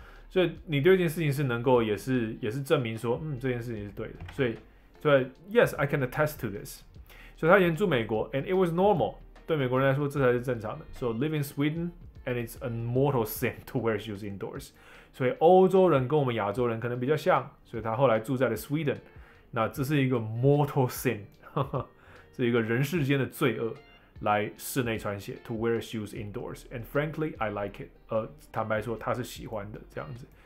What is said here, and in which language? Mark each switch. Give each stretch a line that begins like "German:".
Chinese: 所以你对一件事情是能够也是证明说，嗯，这件事情是对的。
English: 所以 ，yes, I can attest to this。
Chinese: 所以他以前住美国
English: ，and it was normal。
Chinese: 对美国人来说，这才是正常的。
English: So live in Sweden and it's a mortal sin to wear shoes indoors。
Chinese: 所以欧洲人跟我们亚洲人可能比较像，所以他后来住在了 Sweden。那这是一个 mortal sin， 是一个人世间的罪恶，来室内穿鞋 ，
English: to wear shoes indoors， and frankly I like it。
Chinese: 坦白说，他是喜欢的这样子。